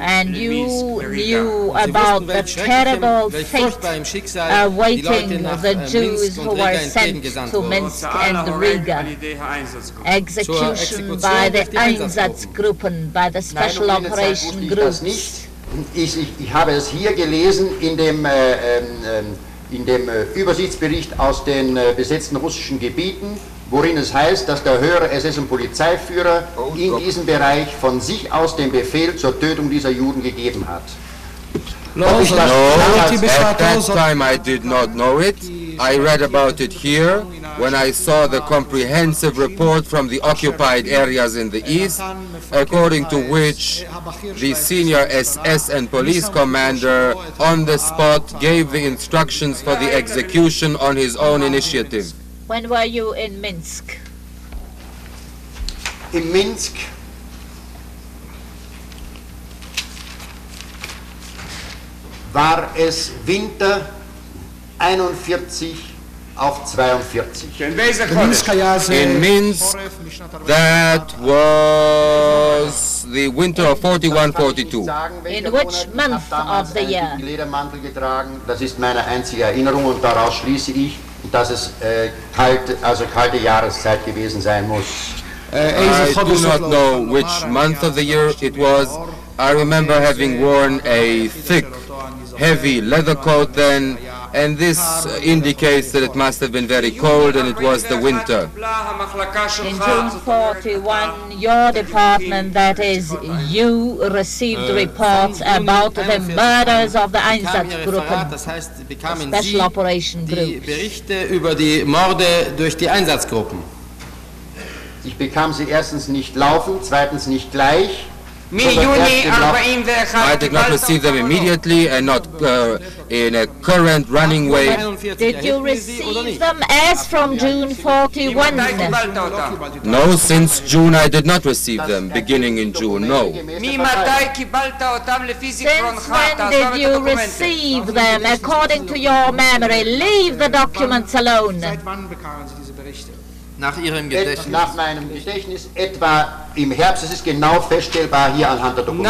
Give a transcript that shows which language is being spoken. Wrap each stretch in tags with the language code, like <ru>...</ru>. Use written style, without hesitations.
<en>And you knew about the terrible fate awaiting the Jews who were sent to Minsk and Riga, execution by the Einsatzgruppen, by the special operation groups.</en> <de>Ich habe es hier gelesen in dem in dem Übersichtsbericht aus den besetzten russischen Gebieten, worin es heißt, dass der höhere SS- und Polizeiführer in diesem Bereich von sich aus den Befehl zur Tötung dieser Juden gegeben hat.</de> <en>No, at that time I did not know it. I read about it here when I saw the comprehensive report from the occupied areas in the east, according to which the senior SS and police commander on the spot gave the instructions for the execution on his own initiative. When were you in Minsk? In Minsk?</en> <de>War es Winter 41 auf 42.</de> <en>In Minsk, that was the winter of 41-42. In which month of the year?</en> <de>Ich habe einen Ledermantel getragen, das ist meine einzige Erinnerung, und daraus schließe ich, dass es kalte Jahreszeit gewesen sein muss.</de> <en>I do not know which month of the year it was. I remember having worn a thick, heavy leather coat then, and this indicates that it must have been very cold and it was the winter. In June 41, your department, that is, you received reports about the murders of the Einsatzgruppen, special operation groups.</en> <de>Berichte über die Morde durch die Einsatzgruppen. Ich bekam sie erstens nicht laufend, zweitens nicht gleich.</de> <en>I did not receive them immediately and not in a current running way. Did you receive them as from June 41? No, since June I did not receive them, beginning in June, no. Since when did you receive them, according to your memory? Leave the documents alone.</en> <de>Nach Ihrem Gedächtnis. Nach meinem Gedächtnis etwa im Herbst, es ist genau feststellbar hier anhand der Dokumente.</de>